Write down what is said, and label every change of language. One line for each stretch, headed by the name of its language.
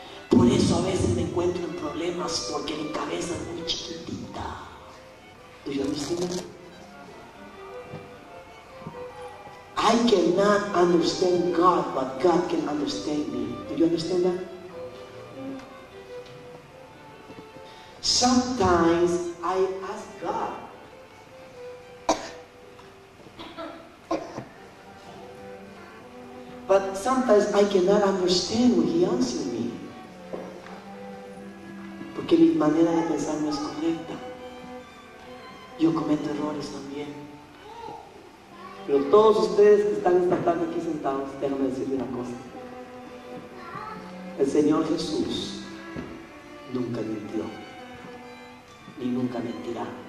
Spanish: Por eso a veces me encuentro en problemas, porque mi cabeza es muy chiquitita. ¿Tú ya me entiendes?
English: I cannot understand God, but God can understand me. Do you understand that? Sometimes I ask God. But sometimes I cannot understand what He answers me.
Spanish: Porque mi manera de pensar no es correcta. Yo cometo errores también. Pero todos ustedes que están esta tarde aquí sentados, déjenme decirle una cosa. El Señor Jesús nunca mintió, ni nunca mentirá.